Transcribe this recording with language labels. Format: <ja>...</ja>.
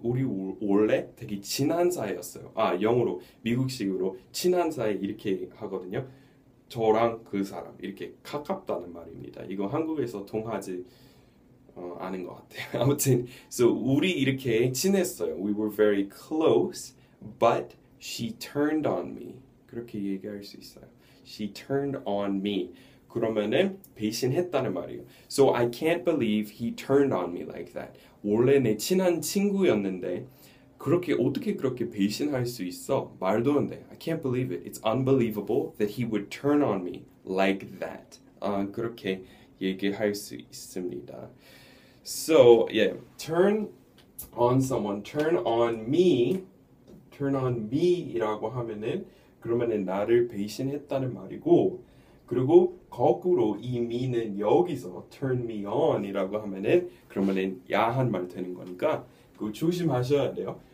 <ko>우리 원래 되게 친한 사이였어요. 영어로 미국식으로 친한 사이 이렇게 하거든요. 저랑 그 사람 이렇게 가깝다는 말입니다. 이거 한국에서 통하지 아는 것 같아요. 아무튼, so 우리 이렇게 친했어요.</ko> <en>We were very close, but she turned on me.</en> <ko>그렇게 얘기할 수 있어요.</ko> <en>She turned on me.</en> <ko>그러면은 배신했다는 말이에요.</ko> <en>So I can't believe he turned on me like that.</en> <ko>원래 내 친한 친구였는데 그렇게 어떻게 그렇게 배신할 수 있어? 말도 안 돼.</ko> <en>I can't believe it. It's unbelievable that he would turn on me like that.</en> <ko>그렇게 얘기할 수 있습니다. So, yeah,</ko> <en>turn on someone, turn on me,</en> <ko>turn on me라고 하면은 그러면은 나를 배신했다는 말이고, 그리고 거꾸로 이 me는 여기서</ko> <en>turn me on</en> <ko>이라고 하면은 그러면은 야한 말 되는 거니까 그거 조심하셔야 돼요.</ko>